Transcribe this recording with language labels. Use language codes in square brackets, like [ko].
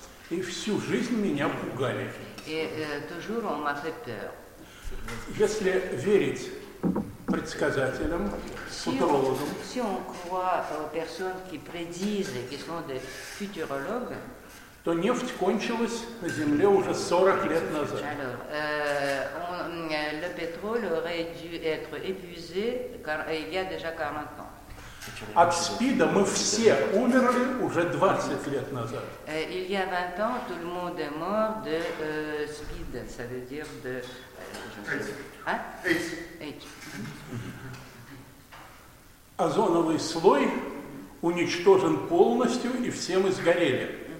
[fr] Et [ru] всю жизнь меня пугали. [fr] Et toujours on m'a fait peur. [ru] Если верить предсказателям, футурологам, [fr] si on croit aux personnes qui prédisent, qui sont des futurologues, [ru] то нефть кончилась на Земле уже 40 лет назад. [fr] Alors, le pétrole aurait dû être épuisé il y a déjà 40 ans. [ru] От СПИДа мы все умерли уже 20 лет назад. [fr] Il y a 20 ans, tout le monde est mort de СПИД, ça veut dire de... [ru] Озоновый слой уничтожен полностью, и все мы сгорели.